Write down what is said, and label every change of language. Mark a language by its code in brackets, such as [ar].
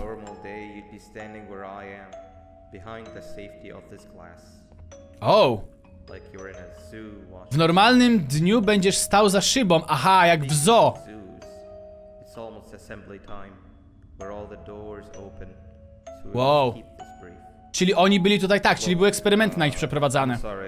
[en] On a normal day you'd be standing where I am, behind the safety of this glass. Oh. Like you're in a zoo watching. [pl] W normalnym dniu będziesz stał za szybą. Aha, jak w zoo. [en] It's almost assembly time, where all the doors open. Wow. [pl] Czyli oni byli tutaj tak, czyli był eksperyment na nich przeprowadzany.